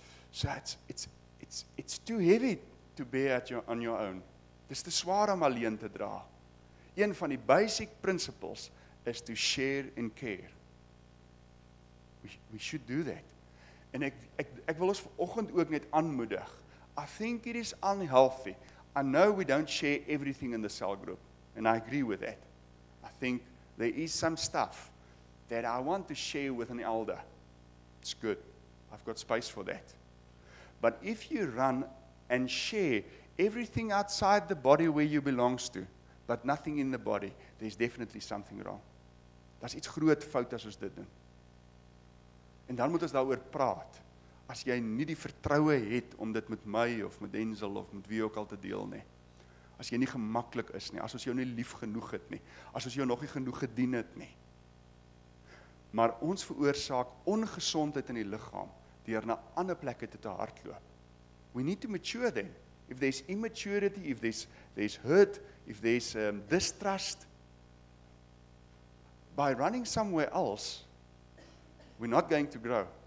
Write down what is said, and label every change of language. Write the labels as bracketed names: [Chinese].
[English] So it's too heavy to bear at your, on your own. [Afrikaans] Dit is te zwaar om alleen te dra. Een van die basic principles is to share and care. We should do that. En ek wil ons vanoggend ook net aanmoedig. [English] I think it is unhealthy. I know we don't share everything in the cell group. And I agree with that. I think there is some stuff that I want to share with an elder. It's good. I've got space for that. But if you run and share everything outside the body where you belongs to, but nothing in the body, there's definitely something wrong. [Afrikaans] Dat is iets groot fout as ons dit doen. En dan moet ons daaroor praat. As jy nie die vertroue het om dit met my of met Denzel of met wie ook al te deel nie. As jy nie gemaklik is nie, as ons jou nie lief genoeg het nie, as ons jou nog nie genoeg gedien het nie. Maar ons veroorsaak ongesondheid in die liggaam deur na ander plekke te hardloop. [English] We need to mature then. If there's immaturity, if there's hurt, if there's distrust, by running somewhere else, we're not going to grow.